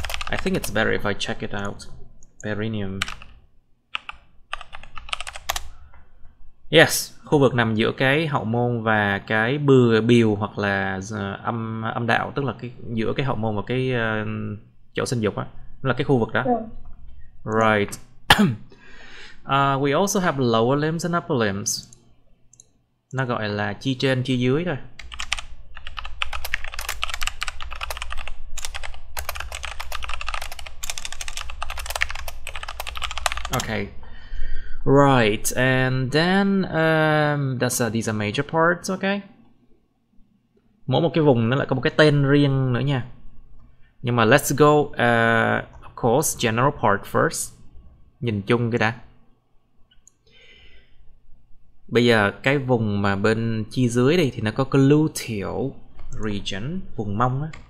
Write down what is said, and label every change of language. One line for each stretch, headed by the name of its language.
English: I think it's better if I check it out. Perineum.
Vietnamese: Yes, khu vực nằm giữa cái hậu môn và cái bừa bìu hoặc là âm âm đạo, tức là cái giữa cái hậu môn và cái chỗ sinh dục á, là cái khu vực đó.
English: Right. We also have lower limbs and upper limbs.
Vietnamese: Nó gọi là chi trên chi dưới thôi.
English: Okay. Right, and then these are major parts, okay?
Vietnamese: Mỗi một cái vùng nó lại có một cái tên riêng nữa nha. Nhưng mà
English: let's go, of course, general part first.
Vietnamese: Nhìn chung cái đã. Bây giờ cái vùng mà bên chi dưới đây thì nó có gluteal region, vùng mông á.